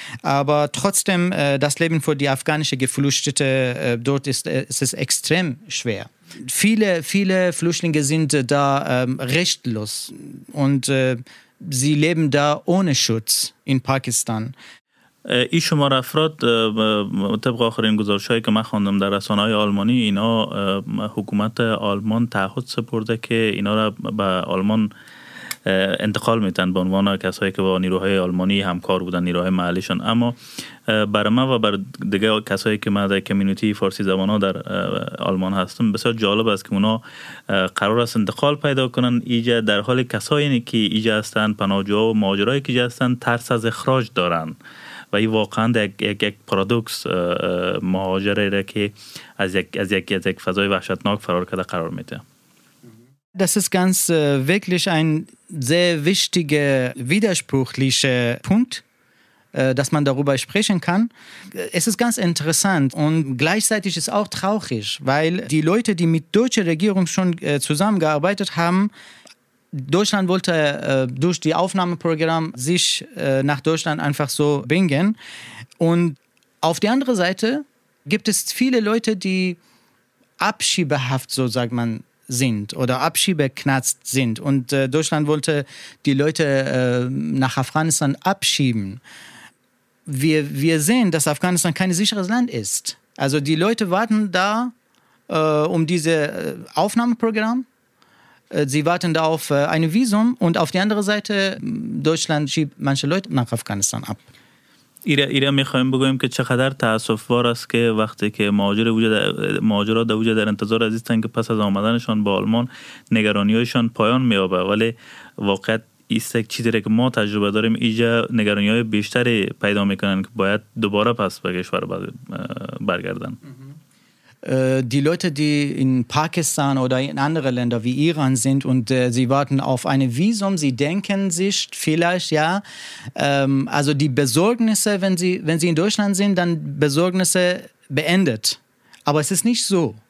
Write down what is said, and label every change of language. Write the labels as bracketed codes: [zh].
[de] Aber trotzdem, das Leben für die afghanischen Geflüchtete dort ist extrem schwer. Viele, viele Flüchtlinge sind da rechtlos und sie leben da ohne Schutz in Pakistan. [fa] این شمار افراد طبق آخرین گزارش هایی که من خواندم در رسانه های آلمانی، اینا حکومت آلمان تعهد سپرده که اینا را به آلمان انتقال میتن به عنوان کسایی که با نیروهای آلمانی همکار بودن، نیروهای محلیشان. اما بر من و بر دیگه کسایی که من در کمیونیتی فارسی زبان ها در آلمان هستم، بسیار جالب است که اونا قرار است انتقال پیدا کنن، ایجا در حال کسایی که ایجا هستن، پناهجوها و مهاجرایی که ایجا هستن، ترس از اخراج دارن. و این واقعا یک پارادوکس، مهاجره را که از یک فضای وحشتناک فرار کرده قرار میده. [de] Das ist ganz wirklich ein sehr wichtiger, widersprüchlicher Punkt, dass man darüber sprechen kann. Es ist ganz interessant und gleichzeitig ist auch traurig, weil die Leute, die mit deutscher Regierung schon zusammengearbeitet haben, Deutschland wollte durch die Aufnahmeprogramm sich nach Deutschland einfach so bringen. Und auf der anderen Seite gibt es viele Leute, die abschiebehaft, so sagt man, sind oder abschiebeknatzt sind und Deutschland wollte die Leute nach Afghanistan abschieben. wir sehen, dass Afghanistan kein sicheres Land ist. Also die Leute warten da um diese Aufnahmeprogramm. Sie warten da auf ein Visum und auf die andere Seite, Deutschland schiebt manche Leute nach Afghanistan ab. [fa] ایرا میخوایم بگویم که چقدر تاسف وار است که وقتی که مهاجرا در وجود در انتظار هستند که پس از آمدنشان به آلمان نگرانی‌هایشان پایان می‌یابد، ولی واقعیت است که چیزی که ما تجربه داریم اینجا نگرانی‌های بیشتری پیدا می‌کنند که باید دوباره پس به کشور برگردند. [de] Die Leute, die in Pakistan oder in andere Länder wie Iran sind und sie warten auf ein Visum, sie denken sich vielleicht, ja, also die Besorgnisse, wenn sie in Deutschland sind, dann Besorgnisse beendet. Aber es ist nicht so.